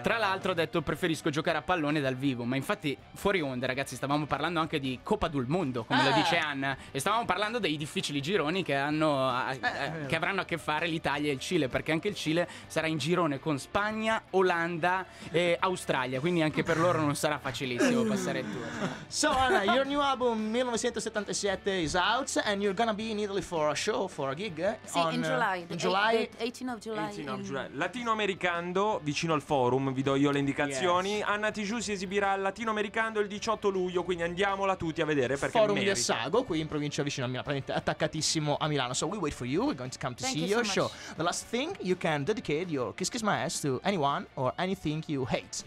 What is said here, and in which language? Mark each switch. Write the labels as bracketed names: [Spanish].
[Italian] Tra l'altro, ha detto preferisco giocare a pallone dal vivo. Ma infatti, fuori onda, ragazzi, stavamo parlando anche di Coppa del Mondo, come lo dice Anna. E stavamo parlando dei difficili gironi che hanno. Che avranno a che fare l'Italia e il Cile, perché anche il Cile sarà in girone con Spagna, Olanda e Australia, quindi anche per loro non sarà facilissimo passare il tour. [English] So Anna, your new album 1977 is out and you're gonna be in Italy for a show, for a gig. Sì, on, in July, in July. The 18th of July. [Italian] Latinoamericando, vicino al Forum, vi do io le indicazioni. Yes. Anna Tijoux si esibirà al Latinoamericando il 18 luglio, quindi andiamola tutti a vedere, perché Forum merita. Di Assago, qui in provincia vicino a Milano, attaccatissimo a Milano. [English] So we wait for you, we're going to come to Thank see you your so show. Much. The last thing, you can dedicate your Kiss Kiss My Ass to anyone or anything you hate.